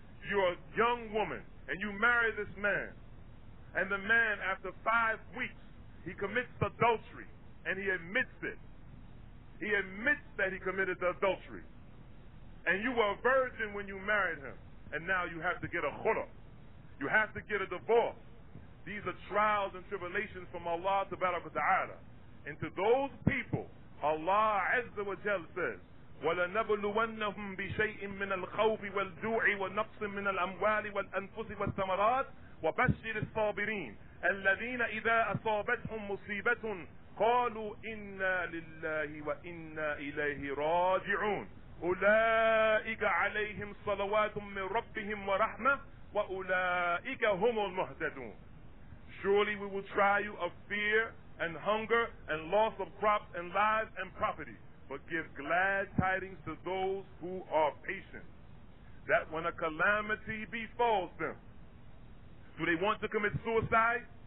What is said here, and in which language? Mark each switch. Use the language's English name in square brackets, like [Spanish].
[English] You're a young woman and you marry this man, and the man, after 5 weeks, he commits adultery and he admits it. He admits that he committed the adultery. And you were a virgin when you married him, and now you have to get a khula. You have to get a divorce. These are trials and tribulations from Allah tabaraka wa ta'ala. And to those people, Allah Azza wa Jalla says, [Arabic] وَلَنَبْلُوَنَّهُمْ بِشَيْءٍ مِّنَ الْخَوْفِ وَالْجُوعِ وَنَقْصٍ مِّنَ الْأَمْوَالِ وَالْأَنفُسِ وَالثَّمَرَاتِ وَبَشِّرِ الصَّابِرِينَ الَّذِينَ إِذَا أَصَابَتْهُمْ مُصِيبَةٌ قَالُوا إِنَّا لِلَّهِ وَإِنَّا إِلَيْهِ رَاجِعُونَ أُولَئِكَ عَلَيْهِمْ صَلَوَاتٌ مِّن رَّبِّهِمْ وَرَحْمَةٌ وَأُولَئِكَ هُمُ الْمُهْتَدُونَ. [English] Surely we will try you of fear and hunger and loss of crops and lives and property, but give glad tidings to those who are patient, that when a calamity befalls them, do they want to commit suicide?